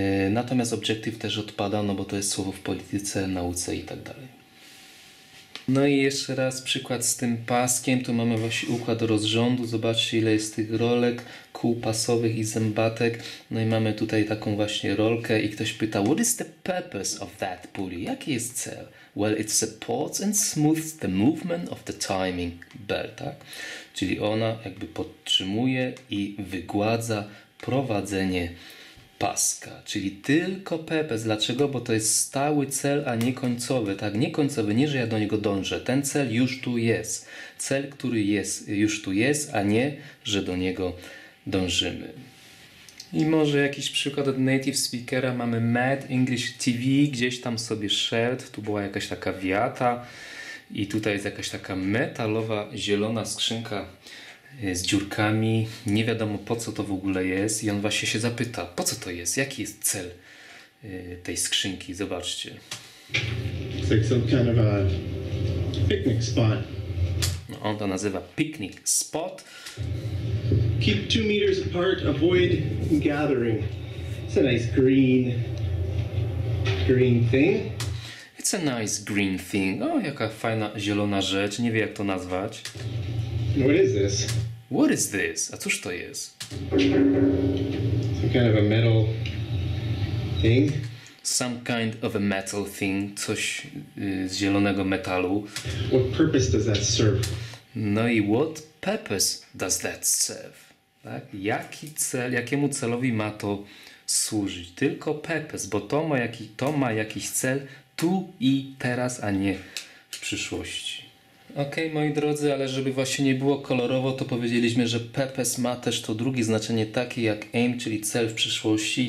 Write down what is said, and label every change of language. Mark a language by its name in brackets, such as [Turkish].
[Polish] Natomiast objective też odpada, no bo to jest słowo w polityce, nauce i tak dalej. No i jeszcze raz przykład z tym paskiem. Tu mamy właśnie układ rozrządu. Zobaczcie, ile jest tych rolek, kół pasowych i zębatek. No i mamy tutaj taką właśnie rolkę i ktoś pyta, [English] what is the purpose of that pulley? [Polish] Jaki jest cel? [English] Well, it supports and smooths the movement of the timing bell, tak? [Polish] Czyli ona jakby podtrzymuje i wygładza prowadzenie paska, czyli tylko purpose. Dlaczego? Bo to jest stały cel, a nie końcowy, tak? Nie końcowy, nie, że ja do niego dążę. Ten cel już tu jest. Cel, który jest, już tu jest, a nie, że do niego dążymy. I może jakiś przykład od native speakera. Mamy Mad English TV, gdzieś tam sobie szedł. Tu była jakaś taka wiata i tutaj jest jakaś taka metalowa, zielona skrzynka z dziurkami, nie wiadomo po co to w ogóle jest i on właśnie się zapyta, po co to jest, jaki jest cel tej skrzynki, zobaczcie. [English] It's like some kind of a picnic spot. [Polish] No, on to nazywa picnic spot. [English] Keep 2 meters apart, avoid gathering. It's a nice green, green thing. It's a nice green thing. [Polish] O, jaka fajna zielona rzecz, nie wie jak to nazwać. [English] What is this? What is this? [Polish] A cóż to jest? [English] Some kind of a metal thing. Some kind of a metal thing. [Polish] Coś z zielonego metalu. [English] What purpose does that serve? [Polish] No i [English] what purpose does that serve? [Polish] Tak? Jaki cel, jakiemu celowi ma to służyć? Tylko purpose, bo to ma jakiś cel tu i teraz, a nie w przyszłości. Okej, moi drodzy, ale żeby właśnie nie było kolorowo, to powiedzieliśmy, że purpose ma też to drugie znaczenie, takie jak aim, czyli cel w przyszłości.